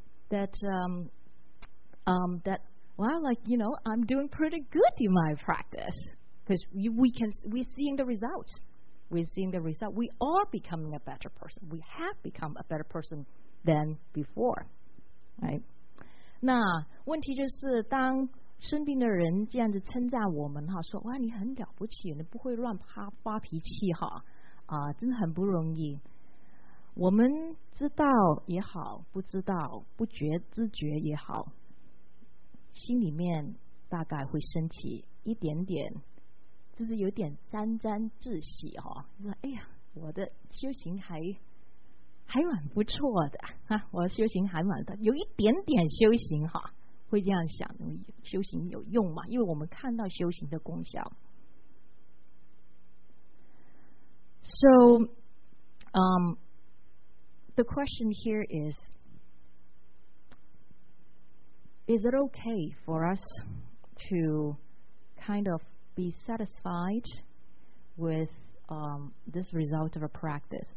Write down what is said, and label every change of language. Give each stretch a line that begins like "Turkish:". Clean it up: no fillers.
English: that that well, like, you know, I'm doing pretty good in my practice, because we're seeing the results. We are becoming a better person. We have become a better person than before, right?
Chinese: 那问题就是当身边的人这样子称赞我们哈，说哇你很了不起，你不会乱发脾气哈，啊，真的很不容易。我们知道也好，不知道不觉知觉也好，心里面大概会升起一点点，就是有点沾沾自喜哈，说哎呀，我的修行还蛮不错的啊，我修行还蛮的，有一点点修行哈。会这样想，修行有用吗？因为我们看到修行的功效。
English: So, the question here is it okay for us to kind of be satisfied with this result of a practice?